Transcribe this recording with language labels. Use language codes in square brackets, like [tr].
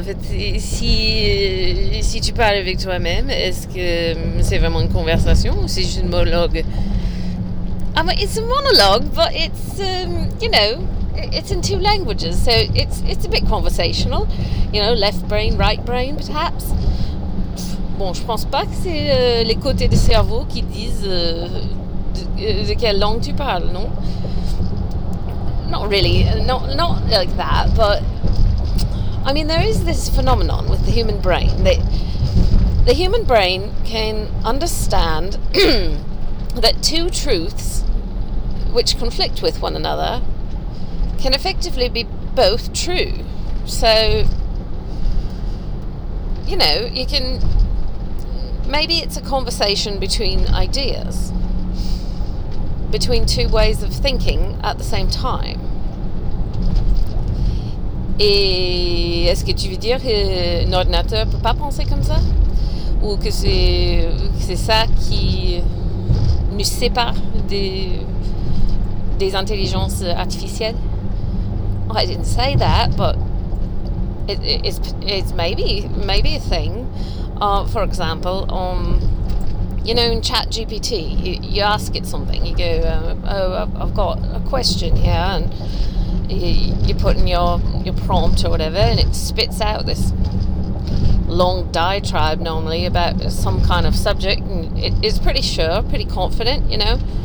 [fr] En fait, si tu parles avec toi-même, est-ce que c'est vraiment une conversation ou c'est juste un monologue? [en] I mean, it's a monologue, but it's you know, it's in two languages, so it's a bit conversational, you know, left brain, right brain, perhaps. [fr] Bon, je pense pas que c'est les côtés de cerveau qui disent de quelle langue tu parles, non? [en] Not really, not like that, but I mean, there is this phenomenon with the human brain that the human brain can understand that two truths which conflict with one another can effectively be both true. So, you know, you can, maybe it's a conversation between ideas, between two ways of thinking at the same time. [fr] Et est-ce que tu veux dire que un ordinateur peut pas penser comme ça? Ou que c'est ça qui nous sépare des intelligences artificielles? [en] Well, I didn't say that, but it's maybe a thing. For example, you know, in ChatGPT, you ask it something. You go, I've got a question here, and you put in your prompt or whatever, and it spits out this long diatribe normally about some kind of subject, and it's pretty sure, pretty confident, you know.